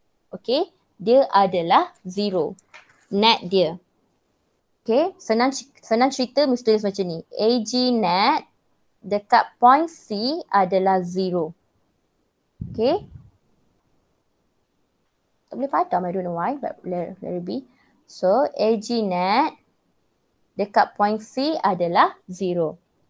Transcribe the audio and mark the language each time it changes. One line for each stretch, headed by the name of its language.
Malay: Okay, dia adalah zero. Net dia. Okay, senang senang cerita mesti tulis macam ni. AG net dekat point C adalah 0. Okay. Tak boleh padam,
English: I don't know why, but let it be.
Malay: So, AG net dekat point C adalah 0.